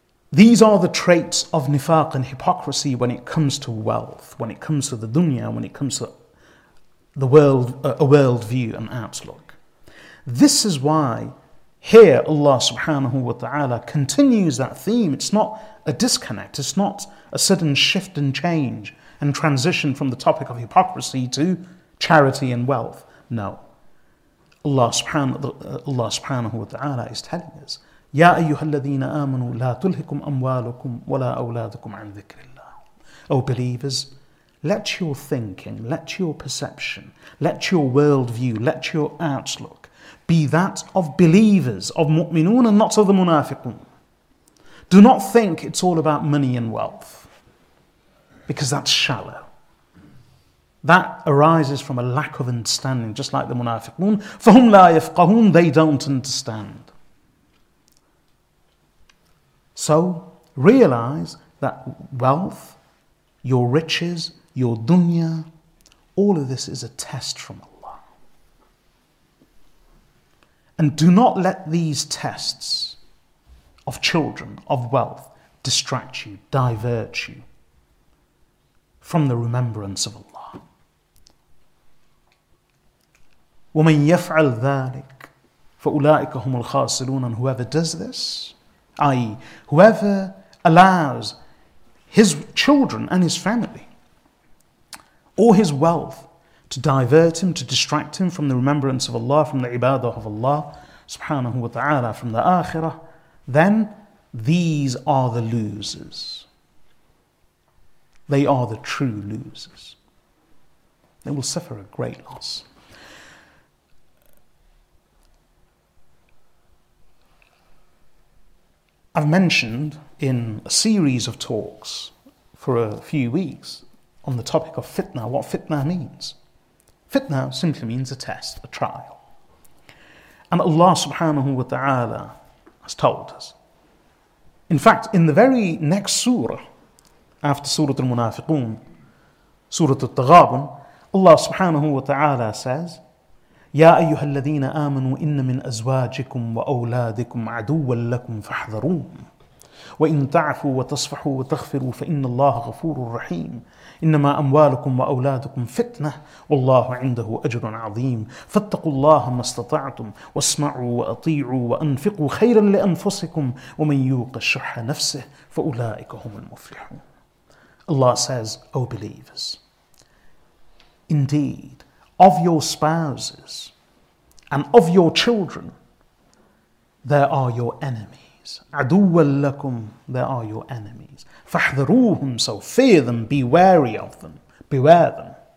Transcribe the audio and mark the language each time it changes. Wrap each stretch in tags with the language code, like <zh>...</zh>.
<en>These are the traits of nifaq and hypocrisy when it comes to wealth, when it comes to the dunya, when it comes to the world, a world view and outlook. This is why here Allah subhanahu wa ta'ala continues that theme. It's not a disconnect. It's not a sudden shift and change and transition from the topic of hypocrisy to charity and wealth. No. Allah subhanahu wa ta'ala is telling us,</en> <ar>يَا أَيُّهَا الَّذِينَ آمَنُوا لَا تُلْهِكُمْ أَمْوَالُكُمْ وَلَا أَوْلَادُكُمْ عَنْ ذِكْرِ اللَّهِ.</ar> <en>O believers, let your thinking, let your perception, let your worldview, let your outlook be that of believers, of mu'minun and not of the munafiqun. Do not think it's all about money and wealth, because that's shallow. That arises from a lack of understanding, just like the munafiqun.</en> <ar>فَهُمْ لَا يَفْقَهُونَ</ar> <en>They don't understand. So, realize that wealth, your riches, your dunya, all of this is a test from Allah. And do not let these tests of children, of wealth, distract you, divert you from the remembrance of Allah.</en> <ar>وَمَنْ يَفْعَلْ ذَٰلِكَ فَأُولَٰئِكَ هُمُ الْخَاسِلُونَ</ar> <en>And whoever does this, i.e. whoever allows his children and his family or his wealth to divert him, to distract him from the remembrance of Allah, from the ibadah of Allah, subhanahu wa ta'ala, from the akhirah, then these are the losers. They are the true losers. They will suffer a great loss. I've mentioned in a series of talks for a few weeks on the topic of fitna, what fitna means. Fitna simply means a test, a trial. And Allah subhanahu wa ta'ala has told us. In fact, in the very next surah, after Surah Al-Munafiqun, Surah Al-Taghabun, Allah subhanahu wa ta'ala says,</en> <ar>يا أيها الذين آمنوا إن من أزواجكم وأولادكم عدوا لكم فاحذروهم وإن تعفوا وتصفحوا وتغفروا فإن الله غفور رحيم إنما أموالكم وأولادكم فتنة والله عنده أجر عظيم فاتقوا الله ما استطعتم واسمعوا وأطيعوا وأنفقوا خيرا لأنفسكم ومن يوق شح نفسه فأولئك هم المفلحون.</ar> <en>Allah says, O believers, indeed, of your spouses and of your children, there are your enemies.</en> <ar>عَدُوًّا لَكُمْ</ar> <en>There are your enemies.</en> <ar>فَاحْذَرُوهُمْ</ar> <en>So fear them, be wary of them, beware them.</en>